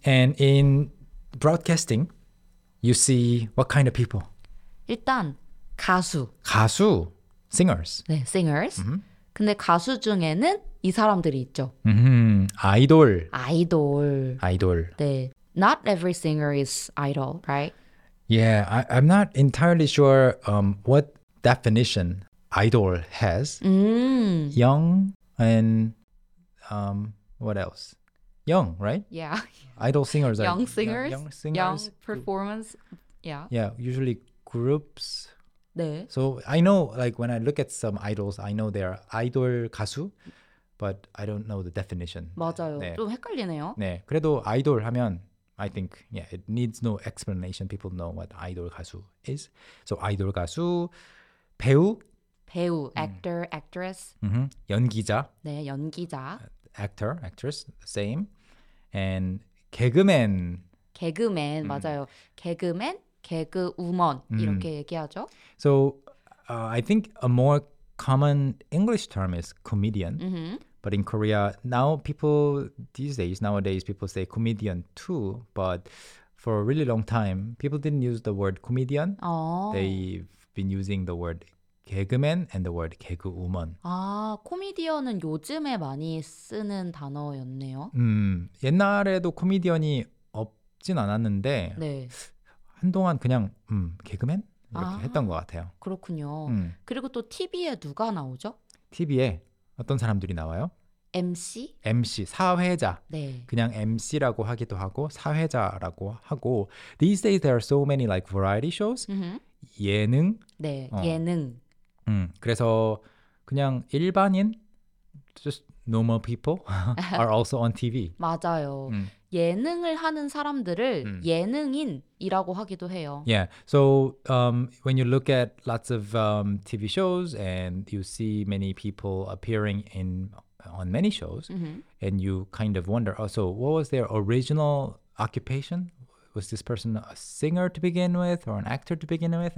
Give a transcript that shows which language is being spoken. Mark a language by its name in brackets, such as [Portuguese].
[English] And in broadcasting, you see what kind of people? [Korean] 일단 가수. 가수, singers. 네, singers. 근데 가수 중에는 이 사람들이 있죠. 아이돌. 아이돌. 아이돌. [English] 네, not every singer is idol, right? Yeah, I'm not entirely sure what definition idol has. Young and what else? Young, right? Yeah. Idol singers. Young singers. Young singers. Young performance. Yeah. Yeah, usually groups. [Korean] 네. [English] So I know, like, when I look at some idols, I know they are idol 가수, but I don't know the definition. [Korean] 맞아요. 네. 좀 헷갈리네요. 네. 그래도 아이돌 하면, [English] I think, yeah, it needs no explanation. People know what 아이돌 가수 is. So 아이돌 가수, 배우. 배우, actor, actress. [Korean] 연기자. 네, 연기자. [English] Actor, actress, same. And 개그맨. [Korean] 개그맨, 맞아요. 개그맨, 개그우먼, 이렇게 얘기하죠. [English] So, I think a more common English term is comedian. But in Korea, now people, these days, nowadays, people say comedian too. But for a really long time, people didn't use the word comedian. They've been using the word 개그맨 and the word 개그우먼. [Korean] 아, 코미디언은 요즘에 많이 쓰는 단어였네요. 옛날에도 코미디언이 없진 않았는데 네. 한동안 그냥 개그맨? 이렇게 했던 것 같아요. 그렇군요. 그리고 또 TV에 누가 나오죠? TV에 어떤 사람들이 나와요? MC? MC, 사회자. 네. 그냥 MC라고 하기도 하고 사회자라고 하고 [English] These days there are so many like variety shows. 예능? [Korean] 네, 예능. 그래서 그냥 [English] 일반인, just normal people, are also on TV. [Korean] 맞아요. 예능을 하는 사람들을 예능인이라고 하기도 해요. [English] Yeah, so when you look at lots of TV shows and you see many people appearing in on many shows, and you kind of wonder, oh, so what was their original occupation? Was this person a singer to begin with or an actor to begin with?